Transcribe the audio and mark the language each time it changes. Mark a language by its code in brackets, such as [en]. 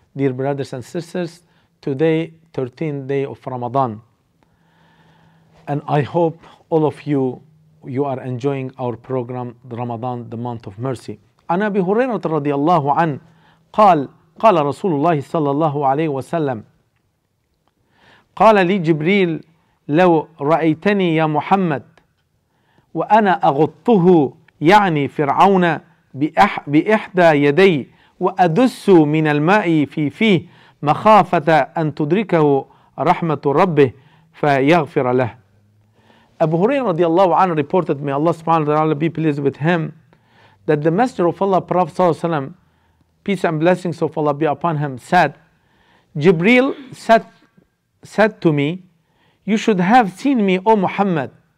[en] Dear brothers and sisters, today 13th day of Ramadan. And I hope all of you are enjoying our program Ramadan, the month of mercy. [ar] An Abi Hurairah radiyallahu an قال رسول الله صلى الله عليه وسلم قال لي جبريل لو رأيتني يا محمد وأنا أغطه يعني فرعون بإحدى يدي وأدس من الماء في فيه مخافة أن تدركه رحمة ربه فيغفر له. أبو هريرة رضي الله عنه [en] reported, may Allah subhanahu wa ta'ala be pleased with him, that the Messenger of Allah, Prophet [ar] صلى الله عليه وسلم, [en] peace and blessings of Allah be upon him, said, Jibreel said to me, you should have seen me, O Muhammad,